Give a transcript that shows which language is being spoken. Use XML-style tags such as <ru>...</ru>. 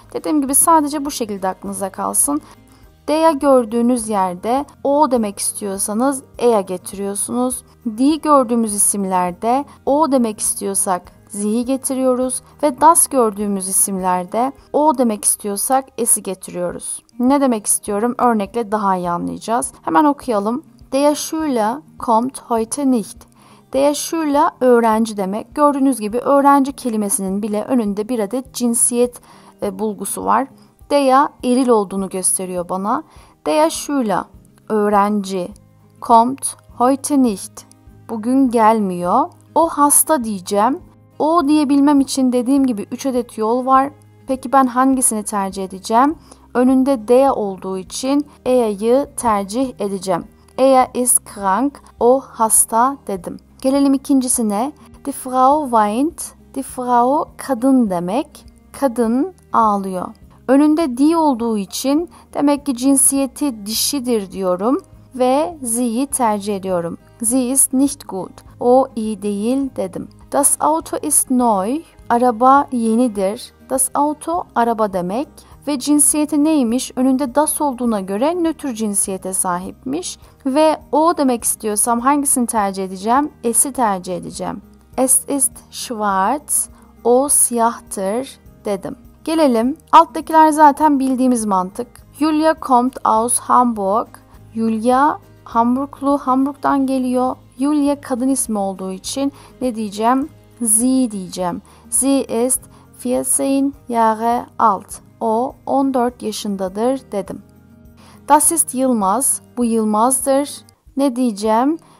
<tr>Dediğim gibi sadece bu şekilde aklınıza kalsın. D'ya gördüğünüz yerde O demek istiyorsanız E'ye getiriyorsunuz. D gördüğümüz isimlerde O demek istiyorsak Z'yi getiriyoruz ve das gördüğümüz isimlerde O demek istiyorsak S'i getiriyoruz. Ne demek istiyorum? Örnekle daha iyi anlayacağız. Hemen okuyalım.</tr> <de>Der Schüler kommt heute nicht.</de> <tr>Der Schüler öğrenci demek. Gördüğünüz gibi öğrenci kelimesinin bile önünde bir adet cinsiyet bulgusu var. Der eril olduğunu gösteriyor bana.</tr> <de>Der Schüler öğrenci kommt heute nicht.</de> <tr>Bugün gelmiyor. O hasta diyeceğim. O diyebilmem için dediğim gibi 3 adet yol var. Peki ben hangisini tercih edeceğim? Önünde D olduğu için E'yi tercih edeceğim.</tr> <de>Er ist krank,</de> <tr>o hasta dedim. Gelelim ikincisine.</tr> <de>Die Frau weint, die Frau</de> <tr>kadın demek. Kadın ağlıyor. Önünde D olduğu için demek ki cinsiyeti dişidir diyorum. Ve Z'yi tercih ediyorum.</tr> <de>Sie ist nicht gut,</de> <tr>o iyi değil dedim.</tr> <de>Das Auto ist neu,</de> <tr>araba yenidir. Das Auto araba demek. Ve cinsiyeti neymiş? Önünde das olduğuna göre nötr cinsiyete sahipmiş. Ve o demek istiyorsam hangisini tercih edeceğim? Es'i tercih edeceğim.</tr> <de>Es ist schwarz,</de> <tr>o siyahtır dedim. Gelelim. Alttakiler zaten bildiğimiz mantık.</tr> <de>Julia kommt aus Hamburg.</de> <tr>Julia Hamburglu, Hamburg'dan geliyor. Julia kadın ismi olduğu için ne diyeceğim?</tr> <de>Sie</de> <tr>diyeceğim.</tr> <de>Sie ist 14 Jahre alt.</de> <tr>O 14 yaşındadır dedim.</tr> <de>Das ist Yılmaz.</de> <tr>Bu Yılmaz'dır. Ne diyeceğim?</tr>